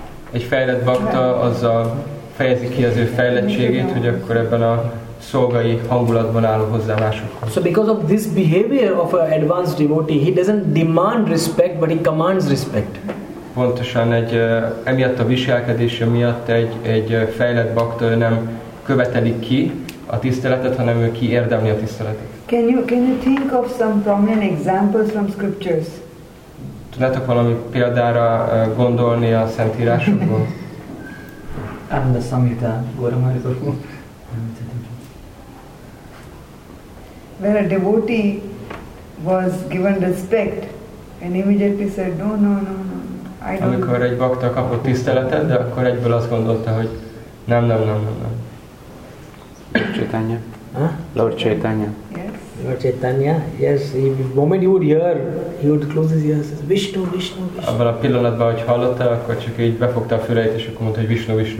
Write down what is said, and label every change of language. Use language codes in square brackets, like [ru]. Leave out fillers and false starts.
[hu] Egy fejlett bhakta azzal fejezi ki az ő fejlettségét, hogy akkor ebben a szolgai hangulatban áll hozzá másokhoz. [en] So because of this behavior of an advanced devotee, he doesn't demand respect, but he commands respect. [hu] Pontosan egy emiatt a viselkedése miatt egy fejlett bhakta nem követeli ki a tiszteletet, hanem ő kiérdemli a tiszteletet. [en] Can you think of some prominent examples from scriptures? [hu] Tudnátok valami példára gondolni a szentírásokból? [en] I'm the Samhita, Gauramarika. When a devotee was given respect, and immediately said, no, I don't. [hu] Amikor egy bhakta kapott tiszteletet, de akkor egyből azt gondolta, hogy nem. [en] Chaitanya. Lord Chaitanya. Yes. Lord Chaitanya. Yes. The moment he would hear, he would close his ears. Vishnu. [hu] Abban a pillanatban, hogy hallotta, akkor csak így befogta a füleit, és akkor mondta, hogy Vishnu.